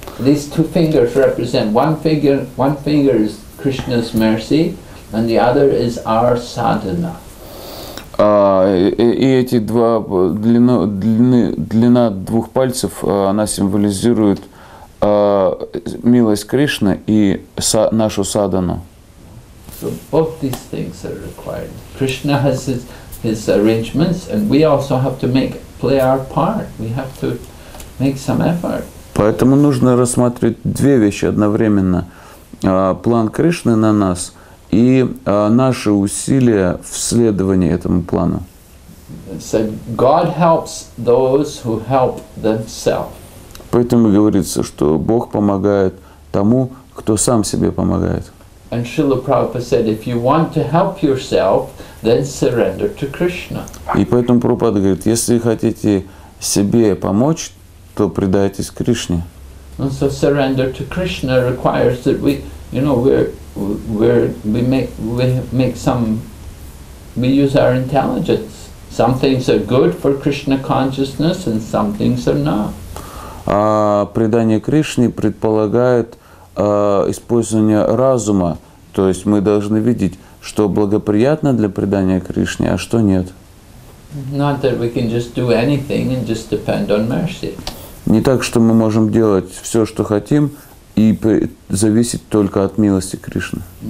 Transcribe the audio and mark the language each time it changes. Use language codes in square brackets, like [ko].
[en] These two fingers represent one finger is Krishna's mercy. And the other is our sadhana. [ru] И эти два длина двух пальцев, она символизирует милость Кришны и нашу садхану. [en] So both these things are required. Krishna has his arrangements, and we also have to play our part. We have to make some effort. [ru] Поэтому нужно рассматривать две вещи одновременно: план Кришны на нас и наши усилия в следовании этому плану. [en] So God helps those who help themselves. [ru] Поэтому говорится, что Бог помогает тому, кто сам себе помогает. [en] And Srila Prabhupada said, if you want to help yourself, then surrender to Krishna. [ru] И поэтому Прабхупада говорит, если хотите себе помочь, то предайтесь Кришне. [en] And so surrender to Krishna requires that we, you know, we use our intelligence. Some things are good for Krishna consciousness, and some things are not. [ru] Предание Кришне предполагает использование разума. То есть мы должны видеть, что благоприятно для предания Кришне, а что нет. [en] Not that we can just do anything and just depend on mercy. [ru] Не так, что мы можем делать все, что хотим, и зависеть только от милости Кришны.